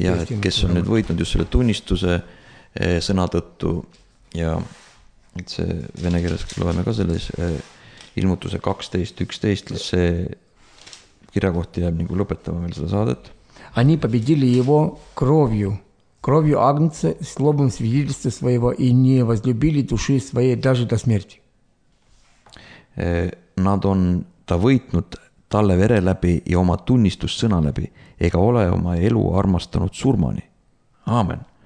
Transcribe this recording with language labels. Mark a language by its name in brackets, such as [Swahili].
[Estonian] Ja kes on nüüd võitnud just selle tunnistuse sõnatõttu ja et see vene keeles loeme ka selles ilmutuse 12.11. See kirjakohti jääb nagu lõpetama veel seda saadet. [Russian] Они победили его кровью агнца, словом свидетельства своего и не возлюбили души своей даже до смерти. [Estonian] Nad on ta võitnud talle vere läbi ja oma tunnistus sõna läbi, ega ole oma elu armastanud surmani. Aamen.